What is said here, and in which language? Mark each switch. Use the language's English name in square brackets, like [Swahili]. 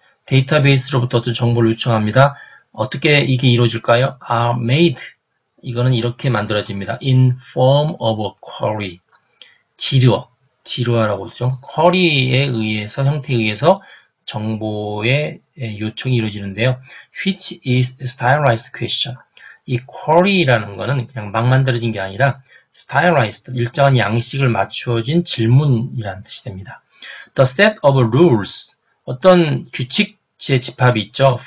[Korean] 데이터베이스로부터 어떤 정보를 요청합니다. 어떻게 이게 이루어질까요? [English] Are made. [Korean] 이거는 이렇게 만들어집니다. [English] In form of a query. [Korean] 지료. 지루하라고 하죠. 쿼리에 의해서, 형태에 의해서 정보의 요청이 이루어지는데요. [English] Which is stylized question. [Korean] 이 쿼리라는 거는 그냥 막 만들어진 게 아니라 stylized, 일정한 양식을 맞추어진 질문이라는 뜻이 됩니다. [English] The set of rules. [Korean] 어떤 규칙의 집합이 있죠.